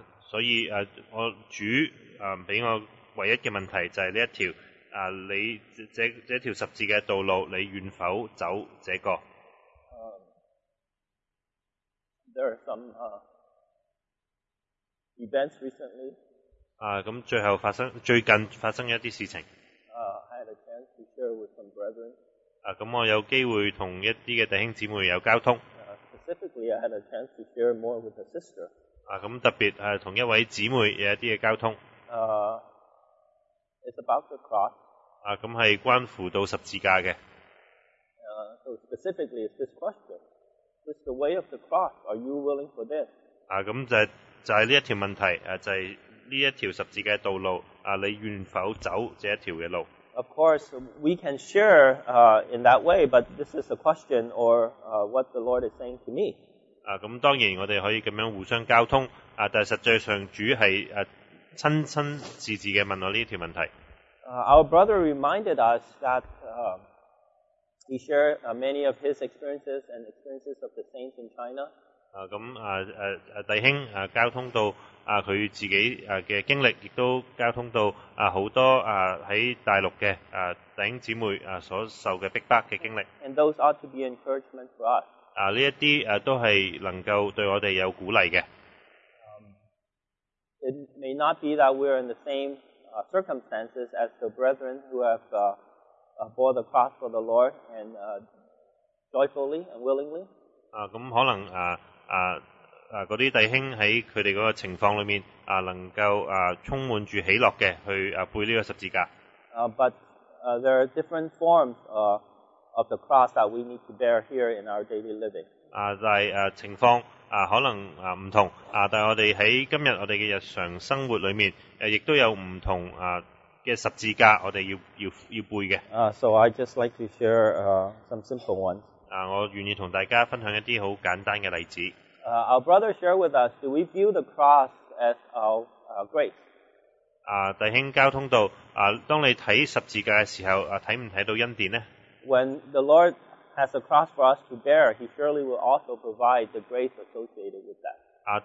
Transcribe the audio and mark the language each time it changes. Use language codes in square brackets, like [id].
[yue] 所以我主俾我唯一嘅问题就系呢一条你这条十字嘅道路，你愿否走这个？ [en] There are some events recently. [yue] 咁最后最近发生一啲事情。 [en] I had a chance to share with some brethren. [yue] 咁我有机会同一啲嘅弟兄姊妹有交通。 [en] Specifically, I had a chance to share more with a sister. [yue] 咁特别同一位姊妹有一啲嘅交通。 [en] It's about the cross. [yue] 咁系关乎到十字架嘅。 [en] So specifically, it's this question: Is the way of the cross? Are you willing for this? [yue] 咁就係呢一條問題，就係呢一條十字架道路，你願否走這一條嘅路 [en] ？Of course, we can share in that way, but this is a question or what the Lord is saying to me. [yue] 咁當然我哋可以咁樣互相交通，但實際上主係親親自自嘅問我呢條問題。 [en] Our brother reminded us that he shared many of his experiences and experiences of the saints in China. [yue] 咁弟兄交通到佢自己嘅經歷，亦都交通到好多喺大陸嘅弟兄姊妹所受嘅逼迫嘅經歷。 [en] And those ought to be encouragement for us. [yue] 呢一啲都係能夠對我哋有鼓勵嘅。 [en] It may not be that we are in the same circumstances as the brethren who have bore the cross for the Lord and joyfully and willingly. [yue] 咁可能嗰啲弟兄喺佢哋嗰个情况里面能够充满住喜乐嘅去背呢个十字架。 [en] There are different forms of the cross that we need to bear here in our daily living. [yue] 情况可能唔同但我哋喺今日我哋嘅日常生活里面亦都有唔同嘅十字架我哋要背嘅。 [en] So I just like to share some simple ones. [yue] 我愿意同大家分享一啲好简单嘅例子。 [en] Our brother shared with us, do we view the cross as our grace? [yue] 弟兄交通道，当你睇十字架嘅时候，睇唔睇到恩典呢 [en] ？When the Lord has a cross for us to bear, He surely will also provide the grace associated with that.